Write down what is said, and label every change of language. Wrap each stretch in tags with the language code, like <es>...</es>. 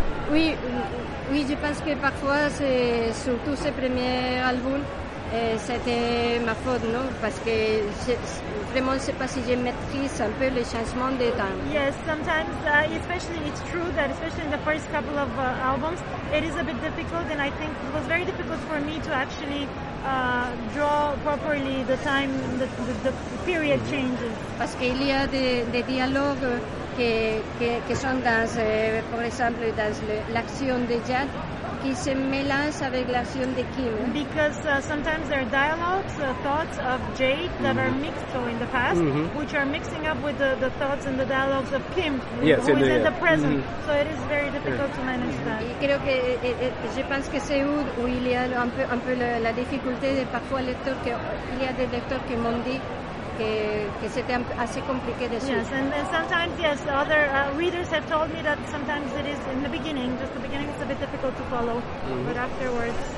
<fr>Oui, je pense que parfois, surtout ces premiers albums, c'était ma faute, non? Parce que vraiment, je ne sais pas si je maîtrise un peu le changement des temps.</fr> <en>Yes, sometimes, especially, it's true that especially in the first couple of albums, it is a bit difficult, and I think it was very difficult for me to actually draw properly the time, the period changes.</en> <fr>Parce qu'il y a des dialogues qui sont dans, par exemple, dans l'action de Jack.</fr> <en>Because sometimes there are dialogues, thoughts of Jade that are mixed, so in the past, which are mixing up with the thoughts and the dialogues of Kim, yes, who is in the present. Mm-hmm. So it is very difficult to manage that.</en> <fr>Et</fr> <es>creo que,</es> <fr>je pense que c'est où il y a un peu la difficulté de parfois lecteurs, qu'il y a des lecteurs qui m'ont dit que c'était assez compliqué de suivre.</fr> <en>Yes, and sometimes, yes, other readers have told me that sometimes it is in the beginning, just the beginning is a bit difficult to follow, but afterwards.</en>